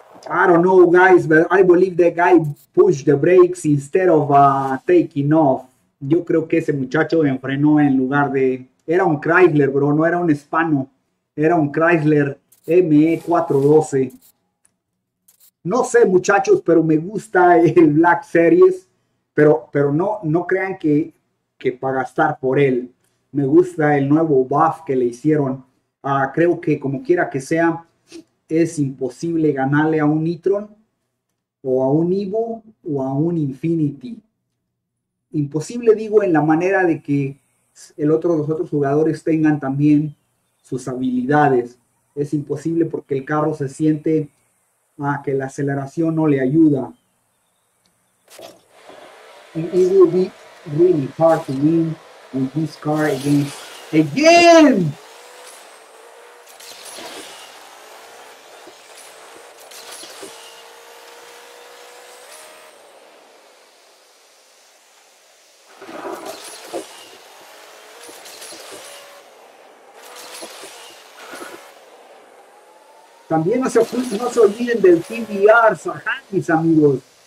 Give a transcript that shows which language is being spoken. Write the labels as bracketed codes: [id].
[en] I don't know, guys, but I believe that guy pushed the brakes instead of taking off. [es] Yo creo que ese muchacho me frenó en lugar de. Era un Chrysler, bro, no era un hispano. Era un Chrysler ME412. No sé, muchachos, pero me gusta el Black Series. Pero no crean que para gastar por él. Me gusta el nuevo buff que le hicieron. Creo que como quiera que sea. Es imposible ganarle a un e-tron o a un Evo o a un Infinity. Imposible, digo, en la manera de que los otros jugadores tengan también sus habilidades. Es imposible porque el carro se siente a que la aceleración no le ayuda. [en] It will be really hard to win with this car again. [es] También no se olviden del TBR, Sahagis, amigos.